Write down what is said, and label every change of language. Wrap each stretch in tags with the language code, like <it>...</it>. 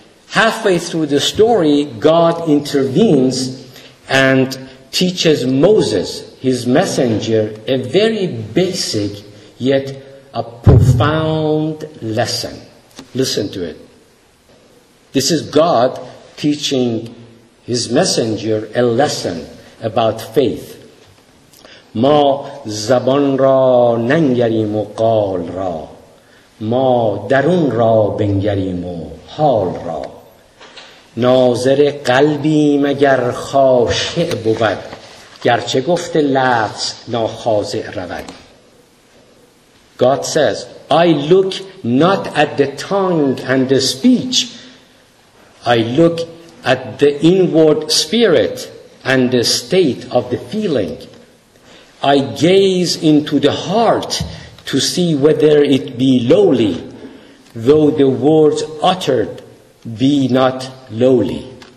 <en>Halfway through the story, God intervenes and teaches Moses, his messenger, a very basic yet a profound lesson. Listen to it. This is God teaching his messenger a lesson about faith.</en> <fa>ما زبان را ننگریم و قال را ما درون را بنگریم و حال را، ناظر قلبیم اگر خاشع بود، گرچه گفت لفظ ناخاضع رود.</fa> <en>God says, I look not at the tongue and the speech. I look at the inward spirit and the state of the feeling. I gaze into the heart to see whether it be lowly, though the words uttered be not lowly.</en>